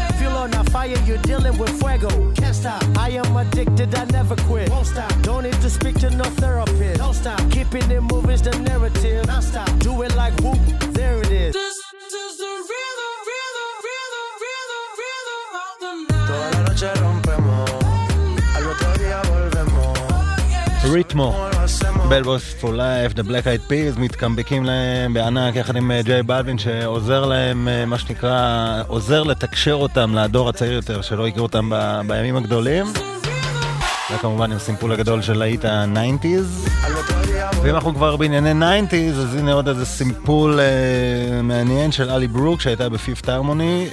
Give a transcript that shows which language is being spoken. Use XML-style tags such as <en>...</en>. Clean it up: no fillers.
<en>Feel on a fire, you're dealing with fuego. Can't stop, I am addicted, I never quit. Won't stop, don't need to speak to no therapist. Don't stop, keeping it moving's the narrative. Non stop, do it like whoop, there it is. This is the rhythm, rhythm, rhythm, rhythm, rhythm of the night.</en> <es>Toda la noche rompemos, al otro día volvemos. Ritmo.</es> <he>בלבוס פור לייף, דה בלק אייד פיז, מתקמבקים להם בענק יחד עם ג'יי בלווין שעוזר להם, מה שנקרא, עוזר לתקשר אותם לדור הצעיר יותר שלא יקרו אותם בימים הגדולים. וכמובן עם סימפול הגדול של להיט ה-90s. ואם אנחנו כבר בענייני 90s, אז הנה עוד איזה סימפול מעניין של אלי ברוק שהייתה בפיפת הרמוני.</he>